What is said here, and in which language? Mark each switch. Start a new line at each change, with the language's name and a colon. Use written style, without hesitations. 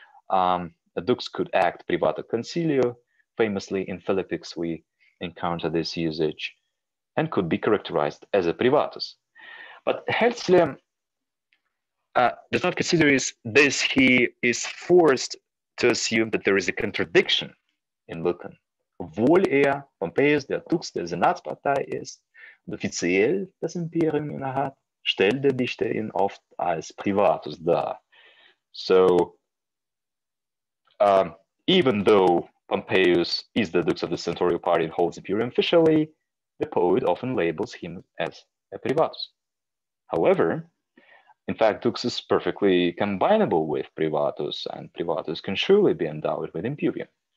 English: A dux could act privato consilio. Famously in Philippics we encounter this usage, and could be characterized as a privatus. But Helsley does not consider this. He is forced to assume that there is a contradiction in Lucan
German: obwohl er Pompeius der Tuchs der Senatspartei ist und offiziell das Imperium innehat, stellt der Dichter ihn oft als Privatus dar.
English: So, even though Pompeius is the Dux of the Senatorial Party and holds Imperium officially, the poet often labels him as a Privatus. However, in fact, Dux is perfectly combinable with Privatus, and Privatus can surely be endowed with Imperium.